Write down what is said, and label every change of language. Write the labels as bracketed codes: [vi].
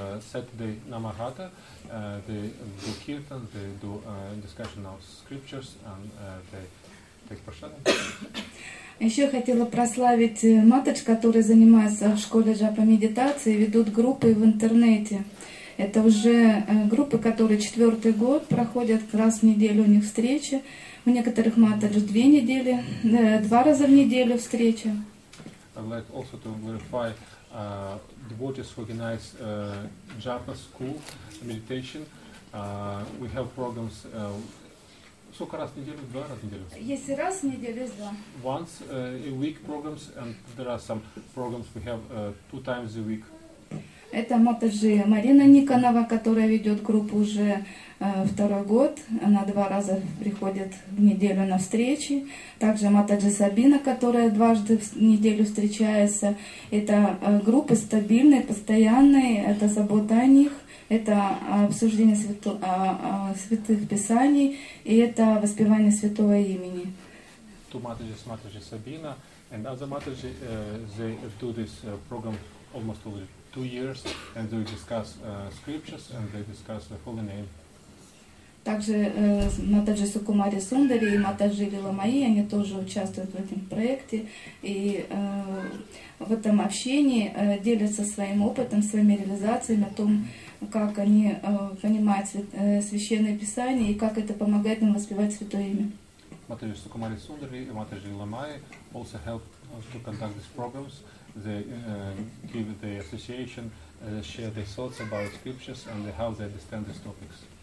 [en] Saturday Namahata, they do kirtan, they do discussion of scriptures, and they take prasadam. [ru] Еще хотела прославить Матадж, который занимается в школе джапа медитации, ведут группы в интернете. Это уже группы, которые четвертый год проходят, раз в неделю у них встреча. У некоторых Матадж две недели, два раза в неделю встреча. [en] I'd like also to glorify devotees who organize japa school meditation. We have programs [ru] сколько раз в неделю? Два раза в неделю? Если раз в неделю, есть два. [en] Once a week programs, and there are some programs we have two times a week. [ru] Это Матаджи Марина Никонова, которая ведет группу уже второй год. Она два раза приходит в неделю на встречи. Также Матаджи Сабина, которая дважды в неделю встречается. Это группы стабильные, постоянные. Это забота о них. Это обсуждение святых писаний. И это воспевание святого имени. Two Матаджи с Матаджи Сабина. [en] And other Матаджи, they do this program almost all the two years, and they discuss scriptures, and they discuss the holy name. [ru] Также Матаджи Сукумари Сундари и Матаджи Лила Майи, они тоже участвуют в этом проекте, и в этом общении делятся своим опытом, своими реализациями о том, как они понимают священное писание, и как это помогает им воспевать святое имя. [en] Матаджи Сукумари Сундари и Матаджи Лила Майи also help to conduct these programs. They give the association, share their thoughts about scriptures and how they understand these topics.